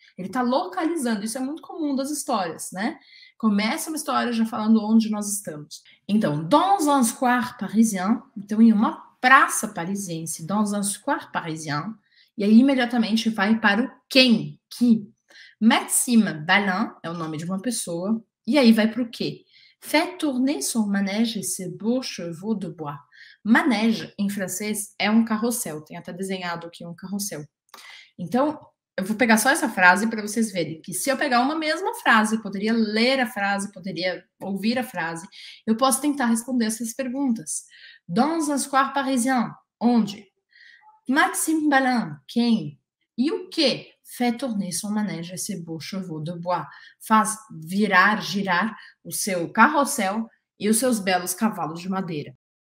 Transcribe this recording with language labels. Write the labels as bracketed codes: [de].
[pt] Ele está localizando. Isso é muito comum das histórias, né? Começa uma história já falando onde nós estamos. Então, [fr] dans un square parisien, [pt] então em uma praça parisiense, [fr] dans un square parisien, [pt] e aí imediatamente vai para o quem, que. Maxime Balin é o nome de uma pessoa, e aí vai para o quê? [fr] Fait tourner son manège et ses beaux chevaux de bois. [pt] Manège, em francês, é um carrossel, tem até desenhado aqui um carrossel. Então, eu vou pegar só essa frase para vocês verem que se eu pegar uma mesma frase, eu poderia ler a frase, poderia ouvir a frase, eu posso tentar responder essas perguntas. [fr] Dans un square parisien, [pt] onde? Maxime Balin, quem? E o quê? [fr] Fait tourner son manège et ses beaux chevaux de bois. [pt] Faz virar, girar o seu carrossel e os seus belos cavalos de madeira.